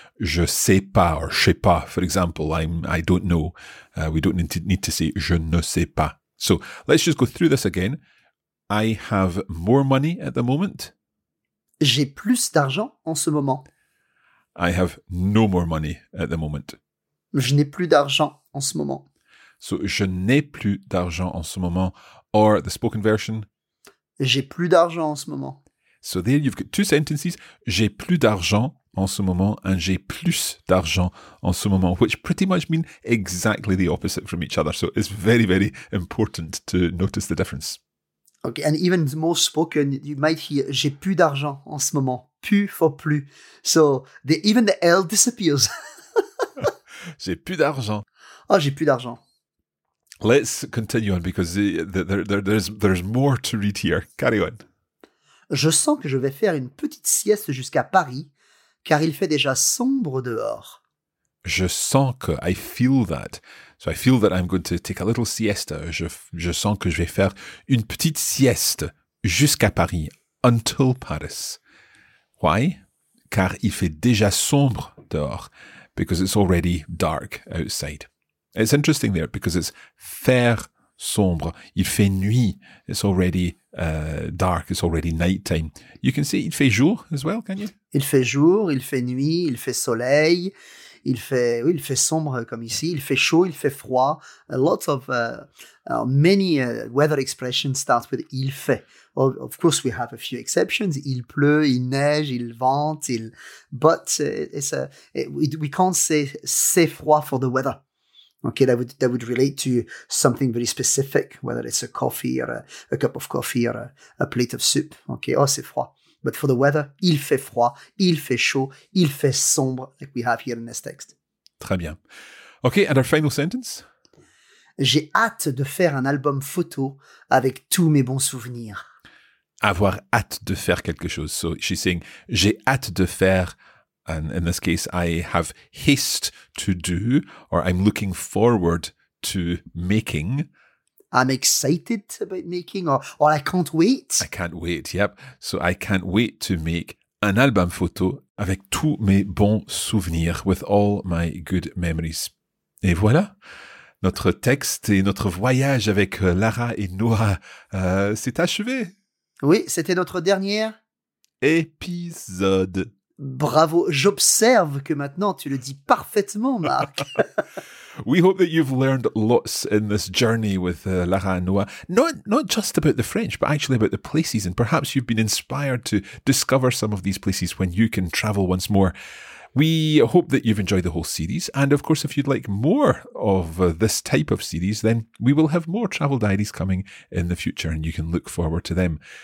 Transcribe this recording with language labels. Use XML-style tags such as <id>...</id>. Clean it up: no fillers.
<fr>Je sais pas,</fr> <en>or</en> <fr>je sais pas,</fr> <en>for example, I don't know. We don't need to say</en> <fr>je ne sais pas.</fr> <en>So let's just go through this again. I have more money at the moment.</en> <fr>J'ai plus d'argent en ce moment.</fr> <en>I have no more money at the moment.</en> <fr>Je n'ai plus d'argent en ce moment. So, je n'ai plus d'argent en ce moment.</fr> <en>Or, the spoken version.</en> <fr>J'ai plus d'argent en ce moment.</fr> <en>So, there you've got two sentences.</en> <fr>J'ai plus d'argent en ce moment</fr> <en>and</en> <fr>j'ai plus d'argent en ce moment,</fr> <en>which pretty much mean exactly the opposite from each other. So, it's very, very important to notice the difference. Okay, and even more spoken, you might hear,</en> <fr>j'ai plus d'argent en ce moment.</fr> <en>Plus for plus. So, even the L disappears.</en> <fr>J'ai plus d'argent. Oh, j'ai plus d'argent.</fr> <en>Let's continue on because there's more to read here. Carry on.</en> <fr>Je sens que je vais faire une petite sieste jusqu'à Paris, car il fait déjà sombre dehors. Je sens que,</fr> <en>I feel that. So I feel that I'm going to take a little siesta.</en> <fr>Je sens que je vais faire une petite sieste jusqu'à Paris,</fr> <en>until Paris. Why?</en> <fr>Car il fait déjà sombre dehors,</fr> <en>because it's already dark outside. It's interesting there because it's</en> <fr>faire sombre. Il fait nuit.</fr> <en>It's already dark. It's already night time. You can say</en> <fr>il fait jour</fr> <en>as well, can you?</en> <fr>Il fait jour, il fait nuit, il fait soleil, il fait sombre comme ici. Il fait chaud, il fait froid.</fr> <en>A lot of many weather expressions start with</en> <fr>il fait.</fr> <en>Of course, we have a few exceptions.</en> <fr>Il pleut, il neige, il vente, il.</fr> <en>But we can't say</en> <fr>c'est froid</fr> <en>for the weather. Okay, that would relate to something very specific, whether it's a coffee or a cup of coffee or a plate of soup. Okay, oh,</en> <fr>c'est froid.</fr> <en>But for the weather,</en> <fr>il fait froid, il fait chaud, il fait sombre,</fr> <en>like we have here in this text.</en> <fr>Très bien.</fr> <en>Okay, and our final sentence?</en> <fr>J'ai hâte de faire un album photo avec tous mes bons souvenirs. Avoir hâte de faire quelque chose.</fr> <en>So she's saying,</en> <fr>j'ai hâte de faire.</fr> <en>And in this case, I have haste to do, or I'm looking forward to making. I'm excited about making, or I can't wait. I can't wait, yep. So I can't wait to make an album photo</en> <fr>avec tous mes bons souvenirs,</fr> <en>with all my good memories.</en> <fr>Et voilà, notre texte et notre voyage avec Lara et Noah, c'est achevé. Oui, c'était notre dernier épisode. Bravo, j'observe que maintenant tu le dis parfaitement, Marc.</fr> <en>We hope that you've learned lots in this journey with Lara and Noah. Not just about the French, but actually about the places. And perhaps you've been inspired to discover some of these places when you can travel once more. We hope that you've enjoyed the whole series. And of course, if you'd like more of this type of series, then we will have more travel diaries coming in the future and you can look forward to them.</en>